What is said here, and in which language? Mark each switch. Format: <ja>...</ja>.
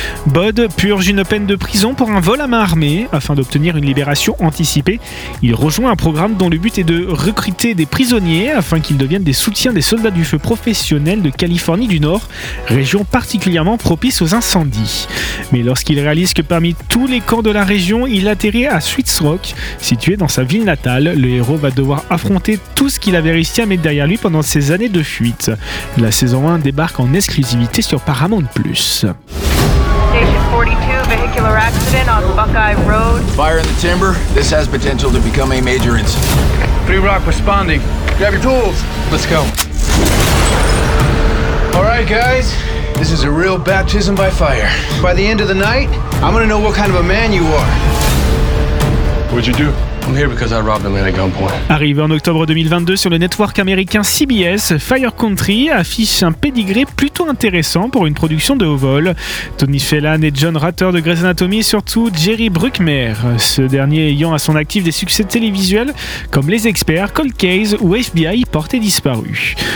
<fr>Bud purge une peine de prison pour un vol à main armée. Afin d'obtenir une libération anticipée, il rejoint un programme dont le but est de recruter des prisonniers afin qu'ils deviennent des soutiens des soldats du feu professionnels de Californie du Nord, région particulièrement propice aux incendies. Mais lorsqu'il réalise que parmi tous les camps de la région, il atterrit à Sweet Rock, situé dans sa ville natale, le héros va devoir affronter tout ce qu'il avait réussi à mettre derrière lui pendant ses années de fuite. La saison 1 débarque en exclusivité sur Paramount+.</fr> <en>Station 42, vehicular accident on Buckeye Road. Fire in the timber. This has potential to become a major incident. Free Rock responding. Grab your tools. Let's go. All right, guys. This is a real baptism by fire. By the end of the night, I'm gonna know what kind of a man you are. What'd you do? I'm here because I robbed them at gunpoint.</en> <fr>Arrivé en octobre 2022 sur le network américain CBS, Fire Country affiche un pedigree plutôt intéressant pour une production de haut vol. Tony Fallon et John Ratter de Grey's Anatomy, et surtout Jerry Bruckheimer, ce dernier ayant à son actif des succès télévisuels comme Les Experts, Cold Case ou FBI Porté Disparu.</fr>